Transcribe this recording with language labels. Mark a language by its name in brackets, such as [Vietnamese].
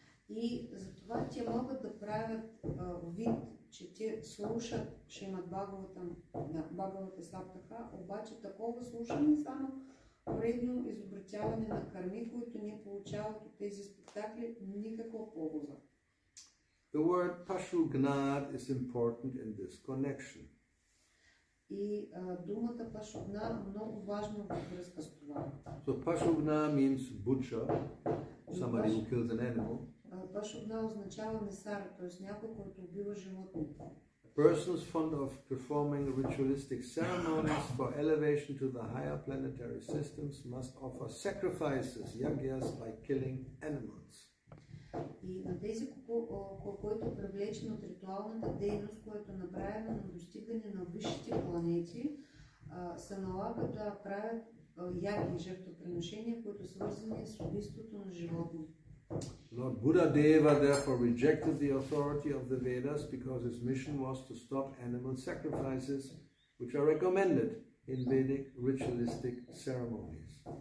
[Bulgarian] И затова те могат да правят вид, че те слушат Шримад Бхагаватам на Бхагавата Саптаха, обаче такова слушане само вредно изобретяване на карми, които не получават от тези спектакли никаква полза. [English] The word Pashugnad is important in this connection. [Bulgarian] И думата Pashugnad много важна във връзка с това. [English] So Pashugnad means butcher, somebody who kills an animal. [Bulgarian] Пашугна означава месар, т.е. някой, който убива животни. [English] Persons fond of performing ritualistic ceremonies for elevation to the higher planetary systems must offer sacrifices, yagyas, by killing animals. [Bulgarian] И на тези, който е привлечен от ритуалната дейност, която е направена на достигане на висшите планети, се налага да правят яги, жертвоприношения, които са свързани с убийството на животни. [English] Lord Buddha Deva therefore rejected the authority of the Vedas because his mission was to stop animal sacrifices, which are recommended in Vedic ritualistic ceremonies.